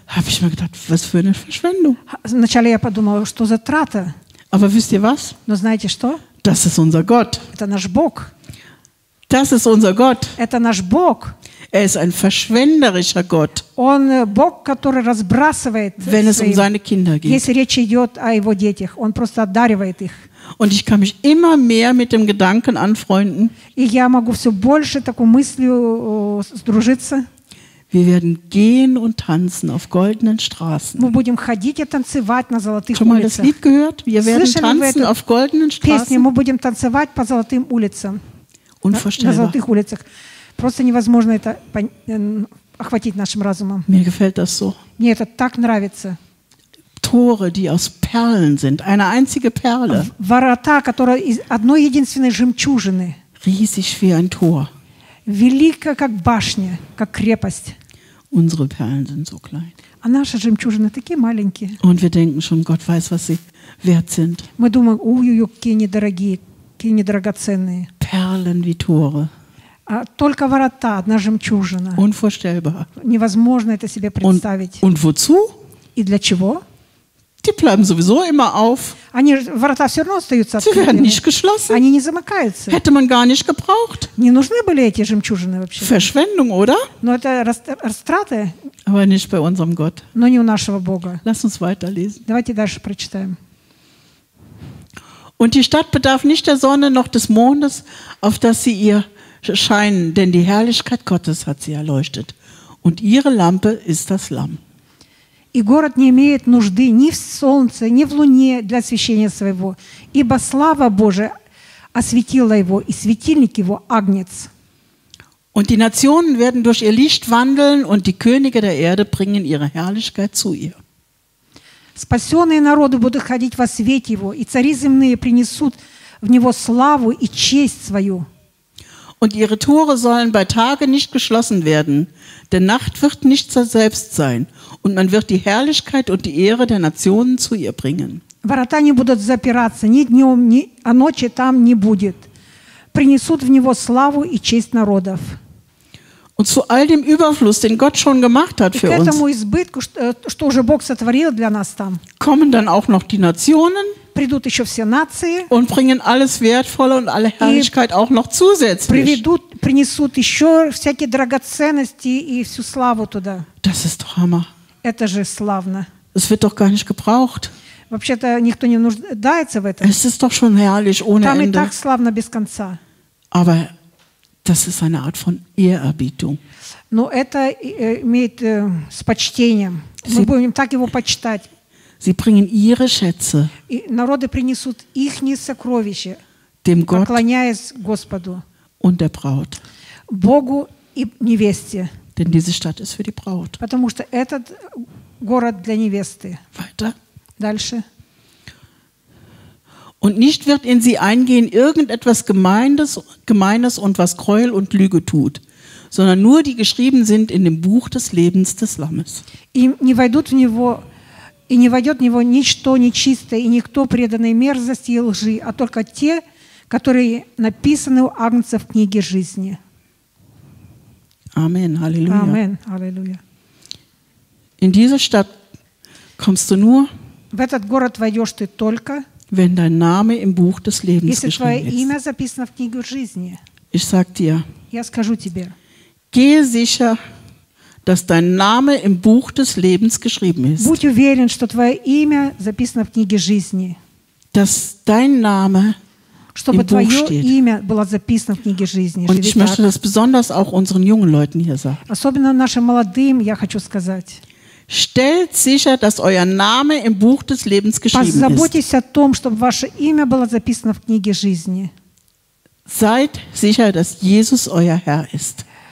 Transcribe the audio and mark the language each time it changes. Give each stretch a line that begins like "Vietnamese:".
German: habe ich mir gedacht, was für eine Verschwendung.
Russian: Вначале я подумала, что за трата.
German: Aber wisst ihr was?
Russian: Но знаете что?
German: Das ist unser Gott.
Russian: Это наш Бог.
German: Das ist unser Gott.
Russian: Это наш Бог.
German: Er ist ein verschwenderischer Gott.
Russian: Он Бог, который разбрасывает.
German: Wenn es um seine Kinder geht.
Russian: Если речь идет о его детях, он просто одаривает их.
German: Und ich kann mich immer mehr mit dem Gedanken anfreunden.
Russian: Я могу все больше такой мыслью сдружиться.
German: Wir werden gehen und tanzen auf goldenen Straßen.
Russian: Мы будем ходить и танцевать на золотых улицах.
German: Schon mal das Lied gehört? Wir werden tanzen auf goldenen Straßen.
Russian: Песню, мы будем танцевать по золотым улицам.
German: Unvorstellbar.
Russian: На золотых улицах. Просто невозможно это охватить нашим разумом.
German: Mir gefällt das so.
Russian: Мне это так нравится.
German: Tore, die aus Perlen sind, eine einzige Perle.
Russian: Ворота, которые из одной единственной жемчужины.
German: Riesig wie ein Tor.
Russian: Велика как башня, как крепость.
German: Unsere Perlen sind so klein.
Russian: А наши жемчужины такие маленькие.
German: Und wir denken schon, Gott weiß, was sie wert sind.
Russian: Мы думаем, ой-ой, какие недорогие, какие недрагоценные.
German: Perlen wie Tore.
Russian: Только ворота, одна жемчужина.
German: Unvorstellbar.
Russian: Невозможно это себе представить.
German: Und wozu?
Russian: И для чего?
German: Die bleiben sowieso immer auf.
Russian: Они, ворота все равно остаются открытыми.
German: Sie werden nicht geschlossen.
Russian: Они не замыкаются.
German: Hätte man gar nicht gebraucht.
Russian: Не нужны были эти жемчужины вообще.
German: Verschwendung, oder?
Russian: Но это растраты.
German: Aber nicht bei unserem Gott.
Russian: Но не у нашего Бога.
German: Lass uns weiterlesen.
Russian: Давайте дальше прочитаем.
German: Und die Stadt bedarf nicht der Sonne noch des Mondes, auf dass sie ihr scheinen, denn die Herrlichkeit Gottes hat sie erleuchtet. Und ihre Lampe ist das Lamm.
Russian: И город не имеет нужды ни в солнце, ни в луне для освещения своего, ибо слава Божия осветила его, и светильник его – Агнец. Und die Nationen werden durch ihr Licht wandeln, und die Könige der Erde bringen ihre Herrlichkeit zu ihr. Спасенные народы будут ходить во свете его, и цари земные принесут в него славу и честь свою. Und ihre Tore sollen bei Tage nicht geschlossen werden, denn Nacht wird nicht zur selbst sein, und man wird die Herrlichkeit und die Ehre der Nationen zu ihr bringen. Ворота не будут запираться ни днем, ни а ночи там не будет. Принесут в него славу и честь народов.
German: Und zu all dem Überfluss, den Gott schon gemacht hat für uns.
Russian: И к этому избытку, что уже Бог сотворил для нас там.
German: Kommen dann auch noch die Nationen.
Russian: Придут еще все нации.
German: Und bringen alles Wertvolle und alle Herrlichkeit auch noch zusätzlich.
Russian: Принесут еще всякие драгоценности и всю славу туда.
German: Das ist doch Hammer.
Russian: Это же славно.
German: Es wird doch gar nicht gebraucht.
Russian: Вообще-то никто не нуждается в этом.
German: Es ist doch schon herrlich ohne
Russian: там
German: Ende.
Russian: И так славно без конца.
German: Aber das ist eine Art von Ehrerbietung.
Russian: Но это имеет с почтением.
German: Sie,
Russian: мы будем так его почитать.
German: Sie bringen ihre Schätze.
Russian: И народы принесут их сокровища.
German: Dem Gott.
Russian: Поклоняясь Господу.
German: Und der Braut.
Russian: Богу и невесте.
German: Denn diese Stadt ist für die Braut.
Russian: Потому что этот город для невесты.
German: Weiter.
Russian: Дальше.
German: Und nicht wird in sie eingehen irgendetwas Gemeines und was Gräuel und Lüge tut, sondern nur die geschrieben sind in dem Buch des Lebens des Lammes.
Russian: И не войдут в него, и не войдет в него ничто нечистое, и никто преданный мерзости и лжи, а только те, которые написаны у Агнца в книге жизни.
German: Amen, Halleluja. Amen, Halleluja. In diese Stadt kommst du nur,
Russian: в этот город войдешь ты только,
German: wenn dein Name im Buch des Lebens
Russian: если
German: geschrieben ist.
Russian: Имя записано в книге жизни.
German: Ich sag dir,
Russian: я скажу тебе,
German: gehe sicher, dass dein Name im Buch des Lebens geschrieben ist.
Russian: Будь уверен, что твое имя записано в книге жизни.
German: Dass dein Name
Russian: чтобы
German: im
Russian: твое
German: Buch steht.
Russian: Имя было записано в книге жизни.
German: Und ich möchte das besonders auch unseren jungen Leuten hier sagen.
Russian: Особенно нашим молодым я хочу сказать.
German: Stellt sicher, dass euer Name im Buch des Lebens geschrieben ist.
Russian: Позаботьтесь о том, чтобы ваше имя было записано в книге жизни.
German: Seid sicher, dass Jesus euer Herr ist.